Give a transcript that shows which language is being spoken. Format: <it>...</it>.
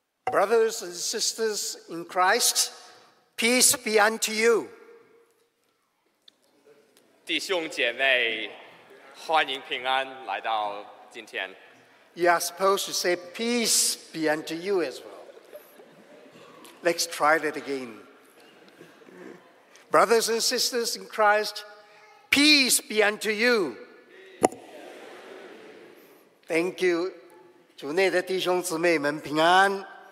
<en>Brothers and sisters in Christ, peace be unto you.</en> <zh>弟兄姐妹，欢迎平安来到今天。</zh> <en>You are supposed to say peace be unto you as well. Let's try that again. Brothers and sisters in Christ, peace be unto you. Thank you.</en> <zh>主内的弟兄姊妹们平安。</zh>